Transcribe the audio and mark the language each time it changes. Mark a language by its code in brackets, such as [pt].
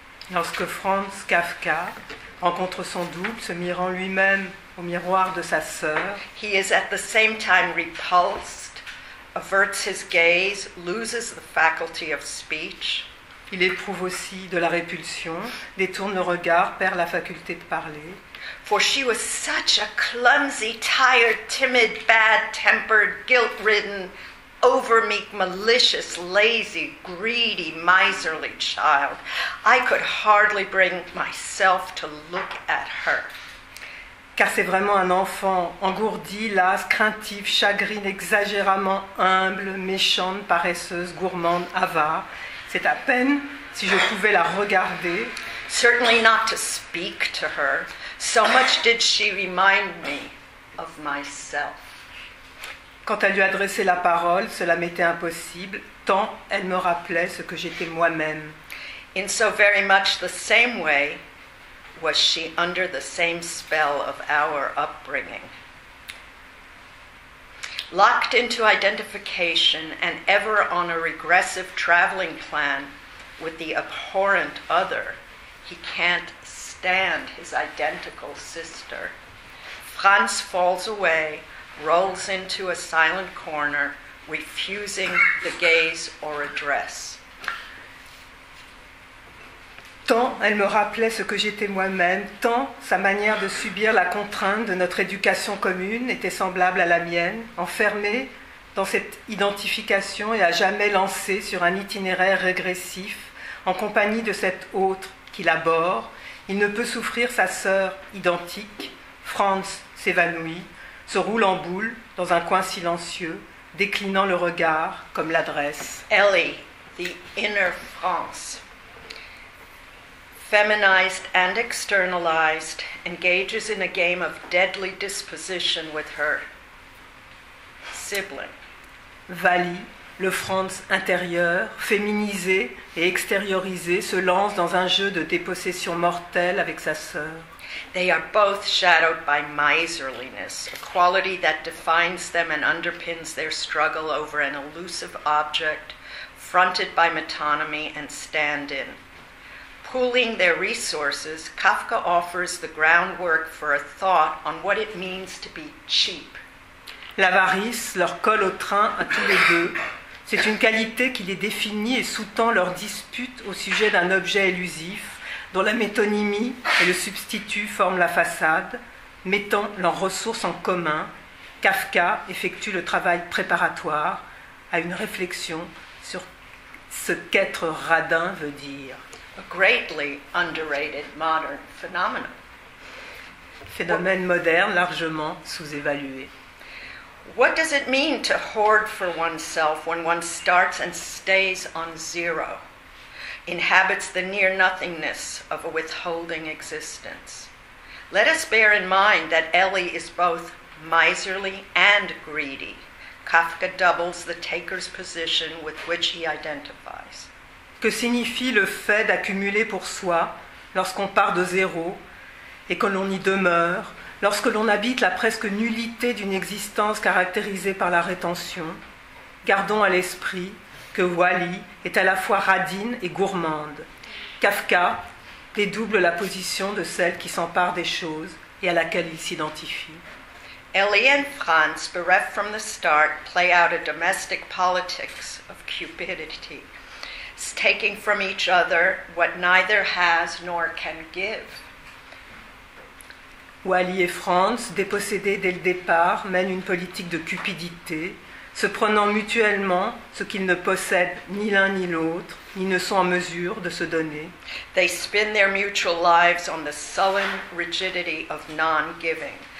[fr] Lorsque Franz Kafka rencontre son double, se mirant lui-même au miroir de sa sœur, [en] he is at the same time repulsed, averts his gaze, loses the faculty of speech. [fr] Il éprouve aussi de la répulsion, détourne le regard, perd la faculté de parler. [en] For she was such a clumsy, tired, timid, bad-tempered, guilt-ridden, overmeek, malicious, lazy, greedy, miserly child. I could hardly bring myself to look at her. [fr] Car c'est vraiment un enfant engourdi, las, craintif, chagrin, exagérément humble, méchante, paresseuse, gourmande, avare. C'est à peine si je pouvais la regarder. [en] Certainly not to speak to her. So much did she remind me of myself. [fr] Quand elle lui adressait la parole, cela m'était impossible, tant elle me rappelait ce que j'étais moi-même. [en] In so very much the same way was she under the same spell of our upbringing. Locked into identification and ever on a regressive traveling plan with the abhorrent other, he can't stand his identical sister. Franz falls away, rolls into a silent corner, refusing the gaze or address. [fr] Tant elle me rappelait ce que j'étais moi-même, tant sa manière de subir la contrainte de notre éducation commune était semblable à la mienne, enfermée dans cette identification et à jamais lancée sur un itinéraire régressif, en compagnie de cet autre qu'il aborde, il ne peut souffrir sa sœur identique. Franz s'évanouit, se roule en boule dans un coin silencieux, déclinant le regard comme l'adresse. [en] Ellie, the inner Franz. Feminized and externalized, engages in a game of deadly disposition with her sibling. [fr] Vali, le Franz intérieur, féminisé et extériorisé, se lance dans un jeu de dépossession mortelle avec sa sœur. [en] They are both shadowed by miserliness, a quality that defines them and underpins their struggle over an elusive object, fronted by metonymy and stand-in. Pooling their resources, Kafka offers the groundwork for a thought on what it means to be cheap. [fr] L'avarice leur colle au train à tous les deux. C'est une qualité qui les définit et sous-tend leur dispute au sujet d'un objet élusif dont la métonymie et le substitut forment la façade, mettant leurs ressources en commun. Kafka effectue le travail préparatoire à une réflexion sur ce qu'être radin veut dire. [en] A greatly underrated modern phenomenon. [fr] Phénomène moderne largement sous-évalué. [en] What does it mean to hoard for oneself when one starts and stays on zero, inhabits the near nothingness of a withholding existence? Let us bear in mind that Ellie is both miserly and greedy. Kafka doubles the taker's position with which he identifies. [fr] Que signifie le fait d'accumuler pour soi lorsqu'on part de zéro et que l'on y demeure? Lorsque l'on habite la presque nullité d'une existence caractérisée par la rétention, gardons à l'esprit que Wally est à la fois radine et gourmande. Kafka dédouble la position de celle qui s'empare des choses et à laquelle il s'identifie. [en] Ellie and Franz, bereft from the start, play out a domestic politics of cupidity, taking from each other what neither has nor can give. [fr] Wally et Franz, dépossédés dès le départ, mènent une politique de cupidité, se prenant mutuellement ce qu'ils ne possèdent ni l'un ni l'autre, ni ne sont en mesure de se donner. [en] They spin their mutual lives on the sullen rigidity of non-giving.